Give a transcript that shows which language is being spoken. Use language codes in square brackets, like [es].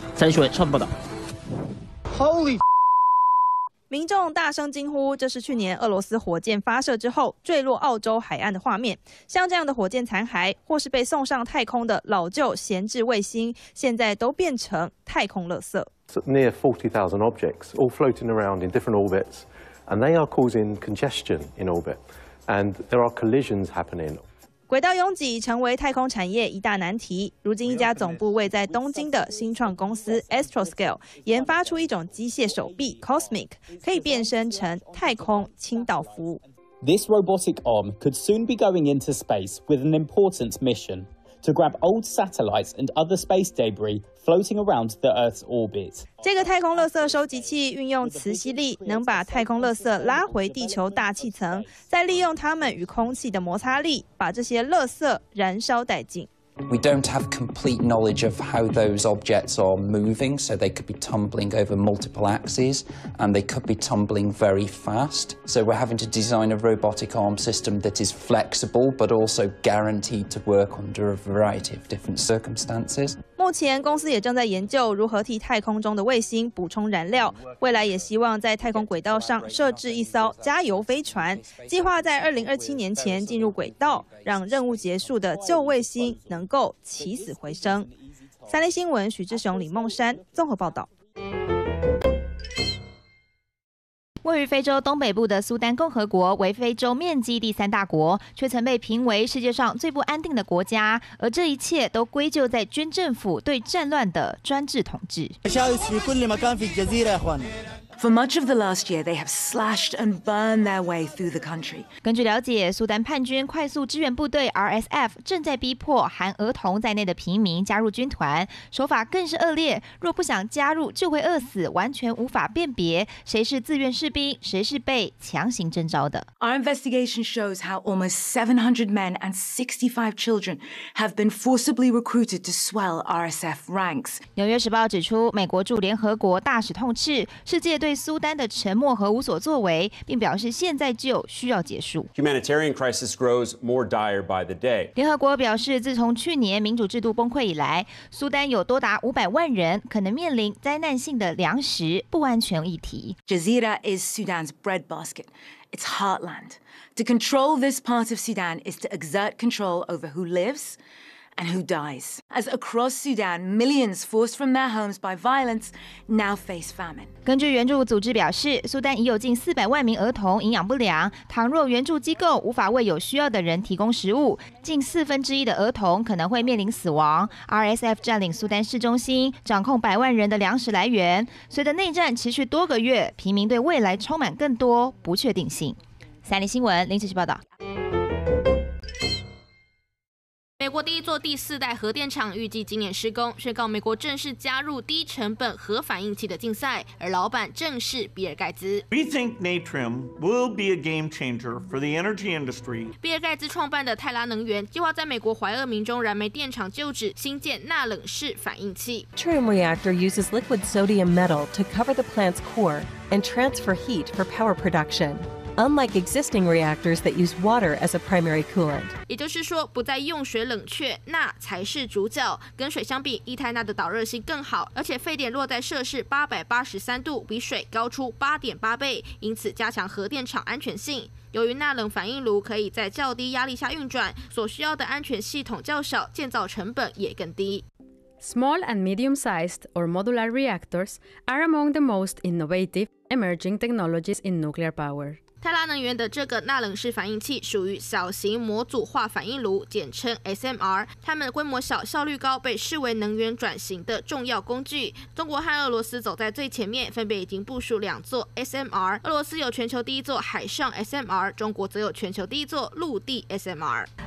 [zh] 三立新闻超报道。 [en] Holy！ [zh] 民众大声惊呼，这是去年俄罗斯火箭发射之后坠落澳洲海岸的画面。像这样的火箭残骸，或是被送上太空的老旧闲置卫星，现在都变成太空垃圾。 [en] Near 40,000 objects all floating around in different orbits, and they are causing congestion in orbit. And there are collisions happening. [zh] 轨道拥挤成为太空产业一大难题。如今一家总部位在东京的新创公司 Astroscale 研发出一种机械手臂 Cosmic， 可以变身成太空清道夫。 [en] This robotic arm could soon be going into space with an important mission to grab old satellites and other space debris floating around the Earth's orbit. [zh] 这个太空垃圾收集器运用磁吸力，能把太空垃圾拉回地球大气层，再利用它们与空气的摩擦力，把这些垃圾燃烧殆尽。 [en] We don't have complete knowledge of how those objects are moving, so they could be tumbling over multiple axes, and they could be tumbling very fast. So we're having to design a robotic arm system that is flexible, but also guaranteed to work under a variety of different circumstances. [zh] 目前公司也正在研究如何替太空中的卫星补充燃料，未来也希望在太空轨道上设置一艘加油飞船，计划在2027年前进入轨道，让任务结束的旧卫星能够起死回生。三立新闻许志雄、李孟山综合报道。位于非洲东北部的苏丹共和国为非洲面积第三大国，却曾被评为世界上最不安定的国家，而这一切都归咎在军政府对战乱的专制统治。 [en] For much of the last year, they have slashed and burned their way through the country. [zh] 根据了解，苏丹叛军快速支援部队 RSF 正在逼迫含儿童在内的平民加入军团，手法更是恶劣。若不想加入，就会饿死，完全无法辨别谁是自愿士兵，谁是被强行征召的。 [en] Our investigation shows how almost 700 men and 65 children have been forcibly recruited to swell RSF ranks. [zh] 纽约时报指出，美国驻联合国大使痛斥世界。对苏丹的沉默和无所作为，并表示现在就需要结束。 [en] Humanitarian crisis grows more dire by the day. [zh] 联合国表示，自从去年民主制度崩溃以来，苏丹有多达500万人可能面临灾难性的粮食不安全议题。 [en] Jazeera is Sudan's breadbasket, its heartland. To control this part of Sudan is to exert control over who lives. And who dies? As across Sudan, millions forced from their homes by violence now face famine. [zh] 根据援助组织表示，苏丹已有近400万名儿童营养不良。倘若援助机构无法为有需要的人提供食物，近四分之一的儿童可能会面临死亡。 RSF 占领苏丹市中心，掌控100万人的粮食来源。随着内战持续多个月，平民对未来充满更多不确定性。三立新闻林子琪报道。美国第一座第四代核电厂预计今年施工，宣告美国正式加入低成本核反应器的竞赛，而老板正是比尔盖茨。 [en] We think Natrium will be a game changer for the energy industry. [zh] 比尔盖茨创办的泰拉能源计划在美国怀俄明州燃煤电厂旧址新建钠冷式反应器。 [en] Natrium reactor uses liquid sodium metal to cover the plant's core and transfer heat for power production. Unlike existing reactors that use water as a primary coolant. [zh] 也就是说，不再用水冷却，钠才是主角。跟水相比，液态钠的导热性更好，而且沸点落在摄氏883度，比水高出8.8倍，因此加强核电厂安全性。由于钠冷反应炉可以在较低压力下运转，所需要的安全系统较小，建造成本也更低。 [en] Small and medium-sized or modular reactors are among the most innovative emerging technologies in nuclear power. [zh] 泰拉能源的这个钠冷式反应器属于小型模组化反应炉，简称 SMR。它们规模小、效率高，被视为能源转型的重要工具。中国和俄罗斯走在最前面，分别已经部署两座 SMR。俄罗斯有全球第一座海上 SMR， 中国则有全球第一座陆地 SMR。